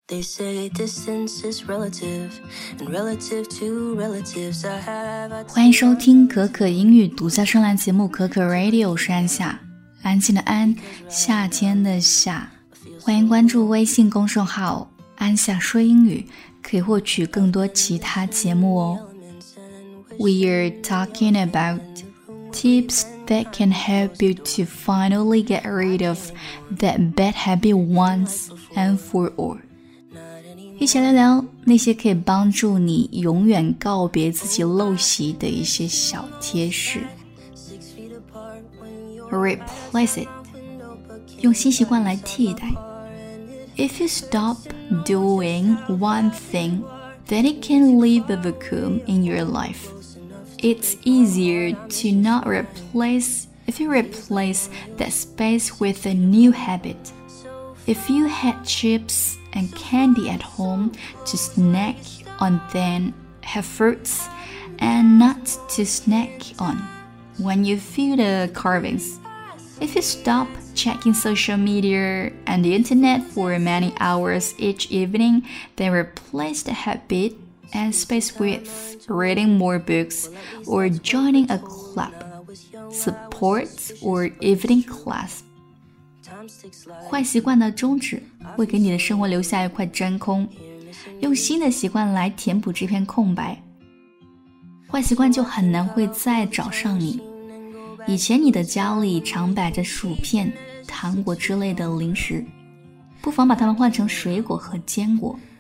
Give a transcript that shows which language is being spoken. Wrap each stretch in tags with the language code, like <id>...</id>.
<en>They say distance is relative, and relative to relatives, I have...</en> <zh>欢迎收听可可英语独家专栏节目可可 Radio， 我是安夏，安静的安，夏天的夏。欢迎关注微信公众号安夏说英语，可以获取更多其他节目哦。</zh> <en>We are talking about tips that can help you to finally get rid of that bad habit once and for all.</en> <zh>一起聊聊那些可以帮助你永远告别自己陋习的一些小贴士。</zh> <en>Replace it.</en> <zh>用新习惯来替代。</zh> <en>If you stop doing one thing, then it can leave a vacuum in your life. It's easier to not replace if you replace that space with a new habit. If you had chips and candy at home to snack on, then have fruits and nuts to snack on when you feel the cravings. If you stop checking social media and the internet for many hours each evening, then replace the habit. And space with reading more books or joining a club, support or evening class.</en> <zh>坏习惯的终止会给你的生活留下一块真空，用新的习惯来填补这片空白，坏习惯就很难会再找上你。以前你的家里常摆着薯片、糖果之类的零食，不妨把它们换成水果和坚果。</zh>